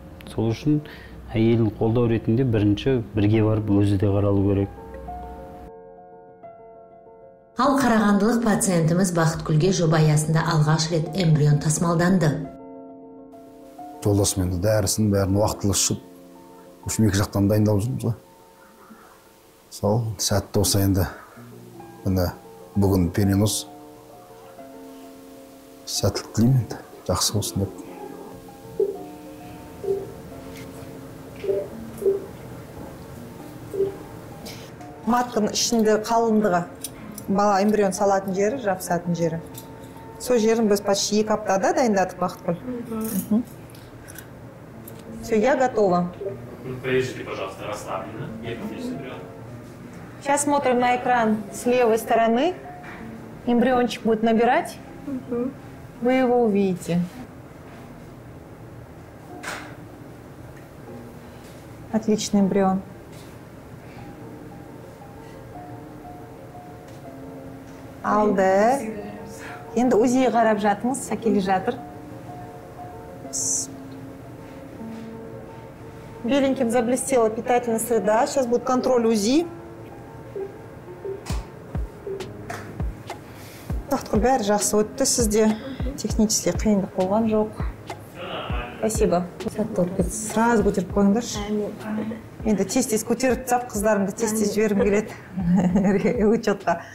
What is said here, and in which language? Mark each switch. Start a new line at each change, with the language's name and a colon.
Kazakh: Сол үшін әйелін қолдау ретінде бірінші бірге барып өзі де қаралу керек. Ал қарағандылық пациентіміз Бақытгүлге жоба аясында алғаш рет эмбрион тасымалданды. Жолдасымен дәрісін бәрін уақытылы ішіп, осы екі жақтан дайындалып жүрміз ғой. Сол сәтті осы енді міне бүгін перенос. Сәттілік тілеймін, жақсы болсын деп. Матқының ішінде қалындығы, бала эмбрион салатын жері, жапсатын жері. Сол жерін біз почти 2 аптада дайындадық, Бақытгүл.
Russian: Все, я готова. Приезжайте, пожалуйста, расслабленно. Сейчас смотрим на экран с левой стороны. Эмбриончик будет набирать. Вы его увидите. Отличный эмбрион.
Kazakh: Алды. Енді УЗИ қарап жатырмыз, сәкеле жатыр.
Russian: Беленьким заблестела питательная среда. Сейчас будет контроль УЗИ.
Kazakh: Бақытгүл, бәрі жақсы өтті сізде. Технически қиындық болған жоқ.
Russian: Спасибо.
Kazakh: Сәтті болып кетсін. Сразу көтеріп қойыңдаршы. Енді тез-тез көтеріп тұрсам, қыздарымды тез-тез жібергім келеді учетқа.